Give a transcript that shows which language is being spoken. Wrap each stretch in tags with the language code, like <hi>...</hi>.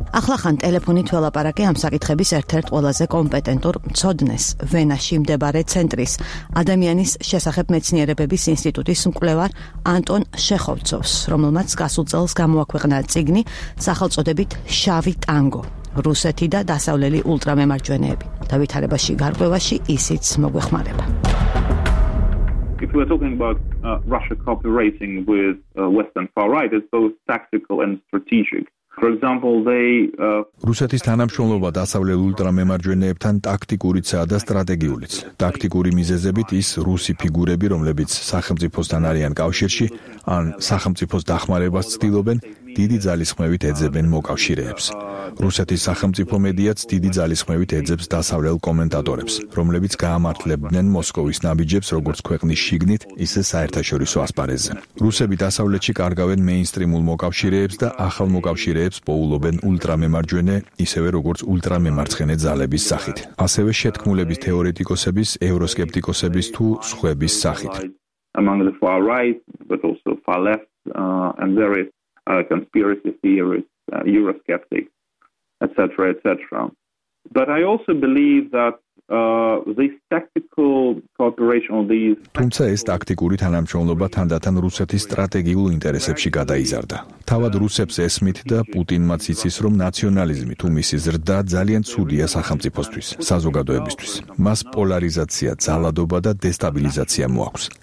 <ka>ახლახან ტელეფონით ველაპარაკე ამ საკითხების ერთ-ერთ ყველაზე კომპეტენტურ მცოდნეს, ვენაში მდებარე ცენტრის ადამიანის შესახებ მეცნიერებების ინსტიტუტის მკვლევარ ანტონ შეხოვცოვს, რომელმაც გასულ წელს გამოაქვეყნა წიგნი სახელწოდებით „შავი ტანგო: რუსეთი და დასავლელი ультрамემარჯვენეები“. დავითარებაში გარკვევაში ისიც მოგვეხმარება.</ka> <en>If we're talking about Russia cooperating with Western far right, it's both tactical and strategic. For example, they</en> <ka>რუსეთის თანამშრომლობა დასავლელ ультрамემარჯვენეებთან ტაქტიკურიცაა და სტრატეგიულიც. ტაქტიკური მიზეზებით ის რუსი ფიგურები, რომლებიც სახელმწიფოსთან არიან კავშირში ან სახელმწიფოს დახმარებას ცდილობენ, დიდი ძალისხმევით ეძებენ მოკავშირეებს. რუსეთის სახელმწიფო მედიაც დიდი ძალისხმევით ეძებს დასავლელ კომენტატორებს, რომლებიც გაამართლებდნენ მოსკოვის ნაბიჯებს როგორც ქვეყნის შიგნით, ისე საერთაშორისო ასპარეზზე. რუსები დასავლეთში კარგავენ მეინსტრიმულ მოკავშირეებს და ახალ მოკავშირეებს პოულობენ ультрамემარჯვენე, ისევე როგორც ультрамემარცხენე ძალების სახით. ასევე შეთქმულების თეორეტიკოსების, ევროსკეპტიკოსების თუ სხვების სახით.</ka> <en>Among the far right, but also far left, and there is conspiracy theories, Eurosceptics, etc., etc. But I also believe that this tactical cooperation of these</en> <ka>თუმცა ეს ტაქტიკური თანამშრომლობა თანდათან რუსეთის სტრატეგიულ ინტერესებში გადაიზარდა. თავად რუსებს ესმით და პუტინმაც იცის, რომ ნაციონალიზმი თუ მისი ზრდა ძალიან ცუდია სახელმწიფოსთვის, საზოგადოებისთვის. მას პოლარიზაცია, ძალადობა და დესტაბილიზაცია მოაქვს.</ka>